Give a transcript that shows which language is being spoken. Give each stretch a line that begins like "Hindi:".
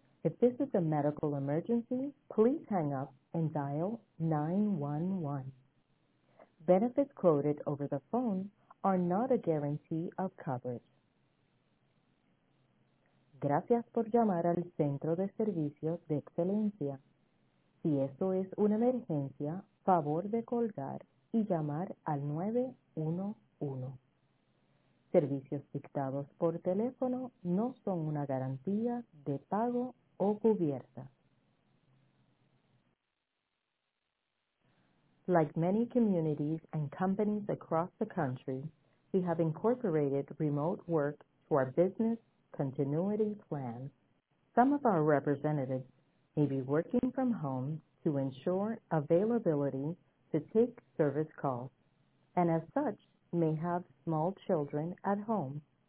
English: If this is a medical emergency, please hang up and dial 911. Benefits quoted over the phone are not a guarantee of coverage.
Spanish: Gracias por llamar al Centro de Servicios de Excelencia. Si esto es una emergencia, favor de colgar y llamar al 911. Servicios dictados por teléfono no son una garantía de pago o cubierta.
English: Like many communities and companies across the country, we have incorporated remote work to our business continuity plan. Some of our representatives may be working from home to ensure availability to take service calls, and as such, may have small children at home.